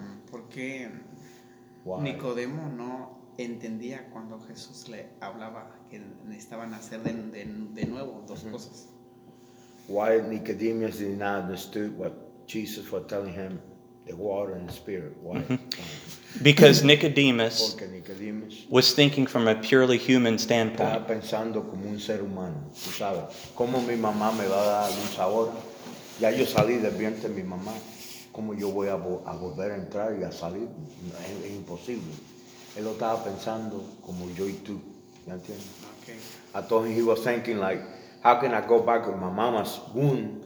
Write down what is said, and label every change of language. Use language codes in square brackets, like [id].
[es] ¿Por qué Nicodemo no entendía cuando Jesús le hablaba que necesitaba nacer de nuevo dos cosas? [en] Why Nicodemus did not understand what Jesus was telling him, the water and the spirit? Why? Because Nicodemus was thinking from a purely human standpoint. [es] Estaba pensando como un ser humano. Tú sabes, ¿cómo mi mamá me va a dar luz ahora? Ya yo salí del vientre de mi mamá. ¿Cómo yo voy a volver a entrar y a salir? Es imposible. Él lo estaba pensando como yo y tú. ¿Ya entiendes? [en] Okay. I thought he was thinking like, how can I go back with my mama's womb?